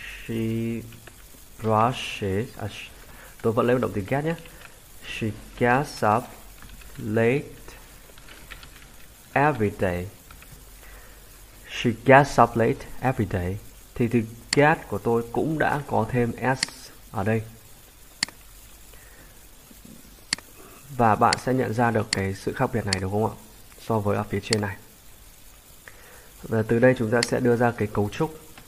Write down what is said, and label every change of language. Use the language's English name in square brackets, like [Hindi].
[English] She brushes, [Vietnamese] tôi vẫn lấy một động từ get nhé. [English] She gets up late every day. She gets up late every day. [Vietnamese] Thì từ get của tôi cũng đã có thêm s ở đây. Và bạn sẽ nhận ra được cái sự khác biệt này đúng không ạ? So với ở phía trên này. Và từ đây chúng ta sẽ đưa ra cái cấu trúc.